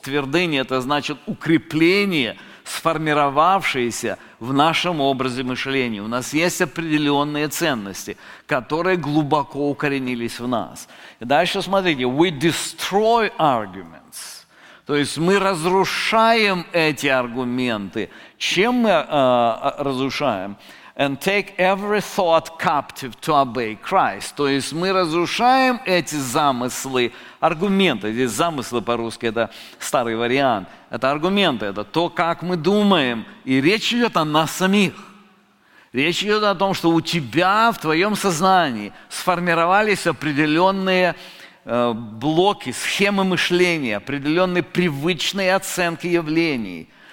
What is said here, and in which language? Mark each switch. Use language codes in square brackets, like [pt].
[ru] Твердыни – это значит укрепление, сформировавшееся в нашем образе мышления. У нас есть определенные ценности, которые глубоко укоренились в нас. И дальше смотрите. [en] We destroy arguments. [ru] То есть мы разрушаем эти аргументы. Чем мы разрушаем? [en] And take every thought captive to obey Christ. [ru] То есть мы разрушаем эти замыслы, аргументы. Здесь замыслы по-русски – это старый вариант. Это аргументы, это то, как мы думаем. И речь идет о нас самих. Речь идет о том, что у тебя в твоем сознании сформировались определенные блоки, схемы мышления, определенные привычные оценки явлений.